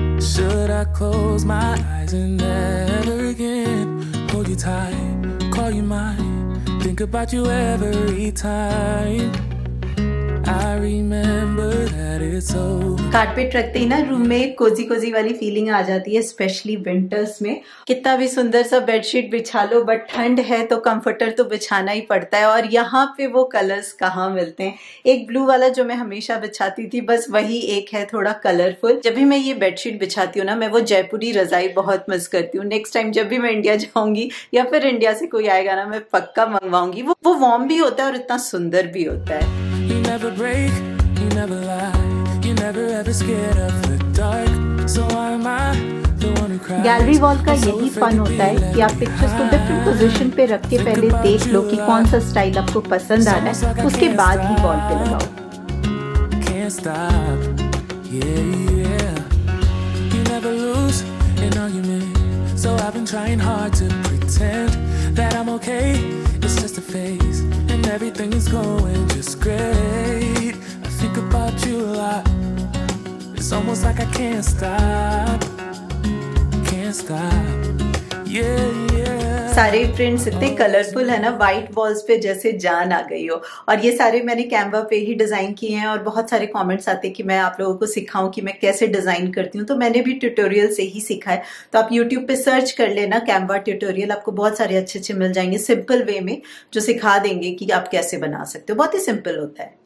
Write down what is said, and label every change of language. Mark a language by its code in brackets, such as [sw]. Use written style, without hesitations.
[en] Should I close my eyes and never again hold you tight, call you mine, think about you every time? [hi] Carpet रखते ही ना room में Cozi Cozi वाली feeling आ जाती है, specially winters में. कितना भी सुंदर सा बेडशीट बिछा लो बट ठंड है तो कंफर्टर तो बिछाना ही पड़ता है. और यहाँ पे वो कलर्स कहाँ मिलते हैं. एक ब्लू वाला जो मैं हमेशा बिछाती थी, बस वही एक है थोड़ा कलरफुल. जब भी मैं ये बेडशीट बिछाती हूँ ना, मैं वो जयपुरी रजाई बहुत मिस करती हूँ. नेक्स्ट टाइम जब भी मैं इंडिया जाऊंगी या फिर इंडिया से कोई आएगा ना, मैं पक्का मंगवाऊंगी. वो वार्म भी होता है और इतना सुंदर भी होता है. [en] You never break, you never lie, you never ever scared of the dark. So why am I the one who cries? [hi] Gallery wall का यही fun होता है कि आप pictures को different position पे रख के पहले देख लो कि कौन सा style आपको पसंद आ रहा है, उसके बाद ही wall पे लगाओ. [en] Can't stop, yeah, yeah. You never lose an argument, so I've been trying hard to pretend that I'm okay. It's just a phase. Everything is going just great. I think about you a lot. It's almost like I can't stop. Can't stop. Yeah, yeah. [hi] सारे prints इतने colourful है ना, white walls पे जैसे जान आ गई हो. और ये सारे मैंने कैनवा पे ही डिजाइन किए हैं और बहुत सारे कमेंट्स आते हैं कि मैं आप लोगों को सिखाऊं कि मैं कैसे डिजाइन करती हूँ. तो मैंने भी ट्यूटोरियल से ही सीखा है, तो आप यूट्यूब पे सर्च कर लेना कैनवा ट्यूटोरियल, आपको बहुत सारे अच्छे अच्छे मिल जाएंगे सिंपल वे में जो सिखा देंगे कि आप कैसे बना सकते हो. बहुत ही सिंपल होता है.